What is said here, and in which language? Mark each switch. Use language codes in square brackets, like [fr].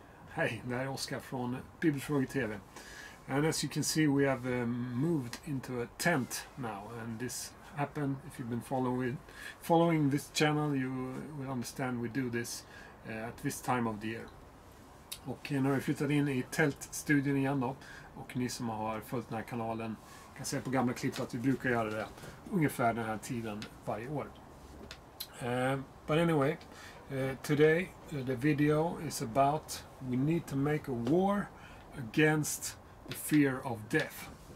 [sv] Hey, det här är Oskar från Bibelfrågor TV. [en] And as you can see, we have moved into a tent now. And this happened, if you've been following this channel, you will understand we do this at this time of the year. [sv] Och nu har vi flyttat in i tältstudion igen då. Och ni som har följt den här kanalen kan se på gamla klipp att vi brukar göra det ungefär den här tiden varje år. [en] But anyway, today the video is about we need to make a war against the fear of death.